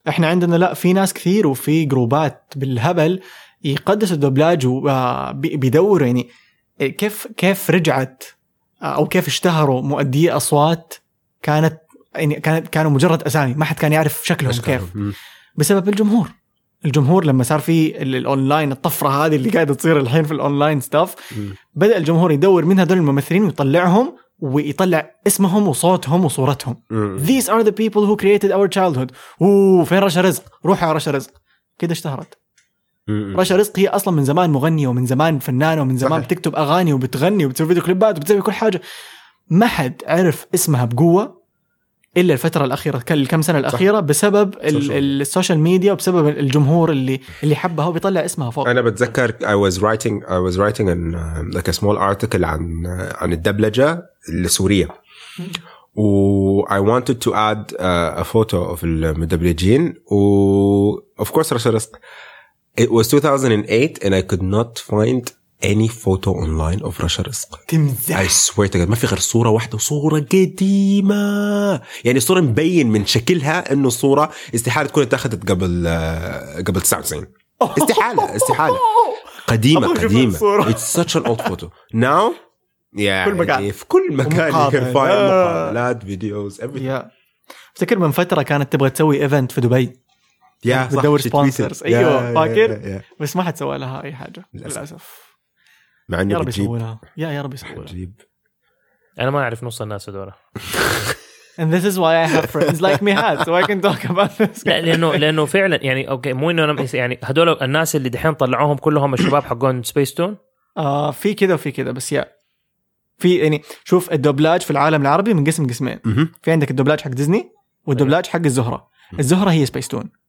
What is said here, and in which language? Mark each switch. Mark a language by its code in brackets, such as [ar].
[ar] إحنا عندنا لا، في ناس كثير وفي جروبات بالهبل يقدس الدبلاج وبيدور يعني كيف رجعت أو كيف اشتهروا مؤدي أصوات كانوا مجرد أسامي، ما حد كان يعرف شكلهم كيف. بسبب الجمهور لما صار في الأونلاين، الطفرة هذه اللي قاعدة تصير الحين في الأونلاين ستاف، بدأ الجمهور يدور من هذول الممثلين ويطلعهم ويطلع اسمهم وصوتهم وصورتهم. [en] These are the people who created our childhood. [ar] فين رشا رزق؟ روح على رشا رزق. كده اشتهرت رشا رزق. هي أصلا من زمان مغنية ومن زمان فنانة ومن زمان بتكتب أغاني وبتغني وبتسوي فيديو كليبات وبتسوي كل حاجة. ما حد عرف اسمها بقوة إلا الفترة الأخيرة، كم سنة الأخيرة، صح. بسبب السوشيال ميديا وبسبب الجمهور اللي حبها وبيطلع اسمها فوق. أنا بتذكر [en] I was writing an like a small article [ar] عن الدبلجة السورية. و [en] I wanted to add a photo of [ar] المدبلجين. و [en] of course Rasha Rizk. It was 2008 and I could not find any photo online of Rasha Rizk. [ar] تمزح. [en] I swear to God [ar] ما في غير صورة واحدة، صورة قديمة يعني صورة مبين من شكلها انه صورة استحالة تكون اتخذت قبل 99. استحالة قديمة. [en] It's such an old photo. Now [ar] يعني في كل مكان مقابلات فيديوز [en] everything. [ar] افتكر من فترة كانت تبغى تسوي event في دبي. [en] Yeah, [ar] بتدور سبونسرز. ايوه فاكر. بس ما حتسوى لها اي حاجة للأسف. مع اني يا رب يسوونها. يا رب يسوونها. انا ما اعرف نص الناس هذولا. [en] And this is why I have friends like Mihad, so I can talk about this. [ar] لا لأنه فعلا يعني أوكي مو إنه يعني هدول الناس اللي دحين طلعوهم كلهم الشباب حقون سبيستون. في كده وفي كده بس يا في يعني شوف الدبلاج في العالم العربي من قسم قسمين. في عندك الدبلاج حق ديزني والدبلاج حق الزهرة. الزهرة هي سبيستون.